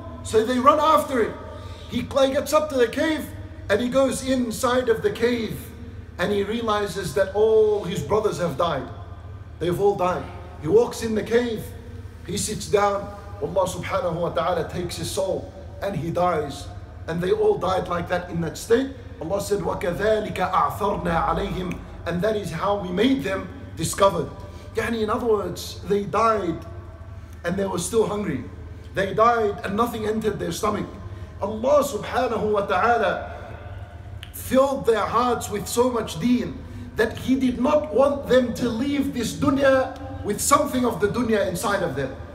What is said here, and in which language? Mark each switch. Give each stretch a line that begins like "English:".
English: So they run after him. He gets up to the cave and he goes inside of the cave and he realizes that all his brothers have died. They've all died. He walks in the cave, he sits down, Allah subhanahu wa ta'ala takes his soul and he dies. And they all died like that in that state. Allah said,
Arabic: وَكَذَلِكَ أَعْثَرْنَا عَلَيْهِمْ.
English: And that is how we made them discovered. Yani, in other words, they died and they were still hungry. They died and nothing entered their stomach. Allah subhanahu wa ta'ala filled their hearts with so much deen that He did not want them to leave this dunya with something of the dunya inside of them.